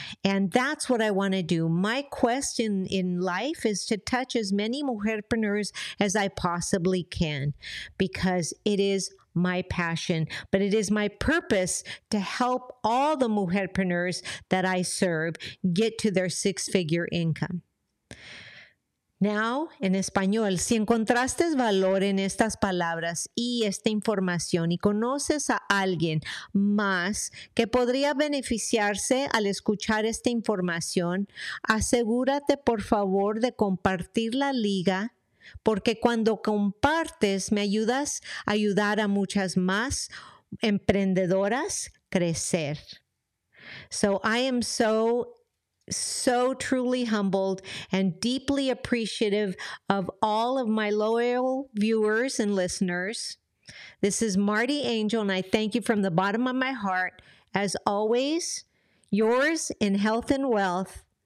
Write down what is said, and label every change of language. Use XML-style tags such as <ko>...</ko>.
<en>And that's what I want to do. My quest in life is to touch as many mujerpreneurs as I possibly can because it is my passion, but it is my purpose to help all the mujerpreneurs that I serve get to their six-figure income.</en> <es>Now, en español, si encontraste valor en estas palabras y esta información y conoces a alguien más que podría beneficiarse al escuchar esta información, asegúrate por favor de compartir la liga, porque cuando compartes me ayudas a ayudar a muchas más emprendedoras a crecer.</es> <en>So I am so truly humbled and deeply appreciative of all of my loyal viewers and listeners. This is Marty Angel, and I thank you from the bottom of my heart. As always, yours in health and wealth.</en>